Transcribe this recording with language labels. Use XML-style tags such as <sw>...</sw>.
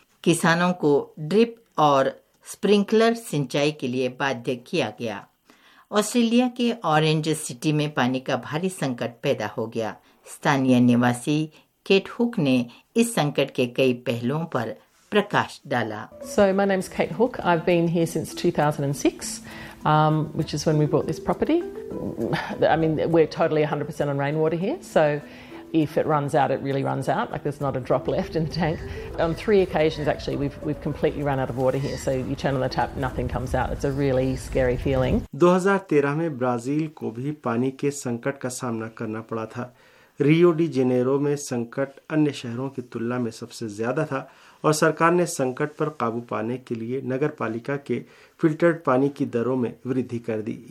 <hi>किसानों को ड्रिप और स्प्रिंकलर सिंचाई के लिए बाध्य किया गया। ऑस्ट्रेलिया के ऑरेंज सिटी में पानी का भारी संकट पैदा हो गया। स्थानीय निवासी केट हुक ने इस संकट के कई पहलुओं पर प्रकाश डाला।</hi> <en>So my name is Kate Hook. I've been here since 2006, which is when we bought this property. I mean, we're totally 100% on rainwater here. So if it runs out, it really runs out. Like there's not a drop left in the tank. On three occasions, actually, we've completely run out of water here. So you turn on the tap, nothing comes out. It's a really scary feeling.</en> <hi>2013 में Brazil को भी पानी के संकट का सामना करना पड़ा था। रियो डी जेनेरो में संकट अन्य शहरों की तुलना में सबसे ज्यादा था और सरकार ने संकट पर काबू पाने के लिए नगर पालिका के फिल्टर्ड पानी की दरों में वृद्धि कर दी।</hi>